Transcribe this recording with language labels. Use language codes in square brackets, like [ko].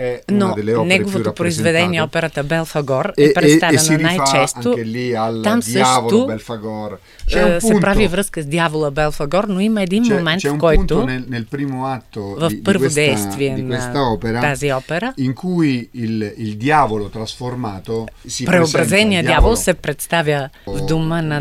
[bg] Но неговото произведение, операта Белфагор, е представена най-често. Там също се прави връзка с дявола Белфагор, но има един момент, в който в първо действие на тази опера, [it] in cui il diavolo trasformato si [bg] преобразения дявол се представя в дума на